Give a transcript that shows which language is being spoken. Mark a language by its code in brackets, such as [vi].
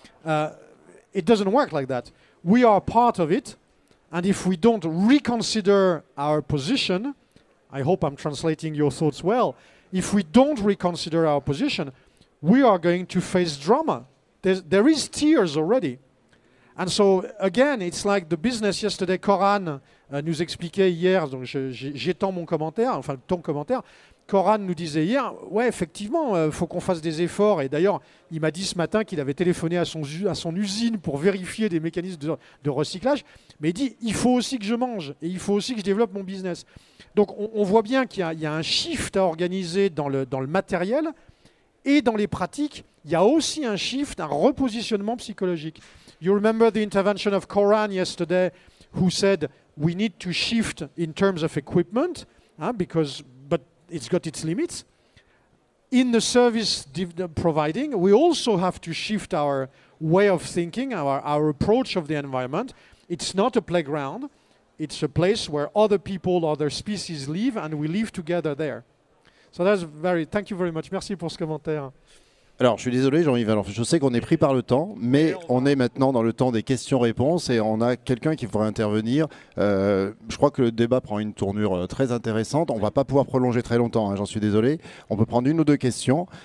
[en] It doesn't work like that. We are part of it, and if we don't reconsider our position, I hope I'm translating your thoughts well, if we don't reconsider our position, we are going to face drama. There is tears already. And so, again, it's like the business yesterday, [fr] Coran nous expliquait hier, donc j'étends mon commentaire, enfin ton commentaire, Coran nous disait hier, ouais, effectivement, faut qu'on fasse des efforts. Et d'ailleurs, il m'a dit ce matin qu'il avait téléphoné à son usine pour vérifier des mécanismes de recyclage. Mais il dit, il faut aussi que je mange et il faut aussi que je développe mon business. Donc, on voit bien qu'il y a un shift à organiser dans le matériel et dans les pratiques. Il y a aussi un shift, un repositionnement psychologique. [en] You remember the intervention of Coran yesterday, who said we need to shift in terms of equipment, because it's got its limits. In the service providing, we also have to shift our way of thinking, our approach of the environment. It's not a playground. It's a place where other people, other species live, and we live together there. So that's very. Thank you very much. [fr] Merci pour ce commentaire. Alors, je suis désolé, Jean-Yves. Alors, je sais qu'on est pris par le temps, mais on est maintenant dans le temps des questions-réponses et on a quelqu'un qui pourrait intervenir. Je crois que le débat prend une tournure très intéressante. On va pas pouvoir prolonger très longtemps, hein, j'en suis désolé. On peut prendre une ou deux questions.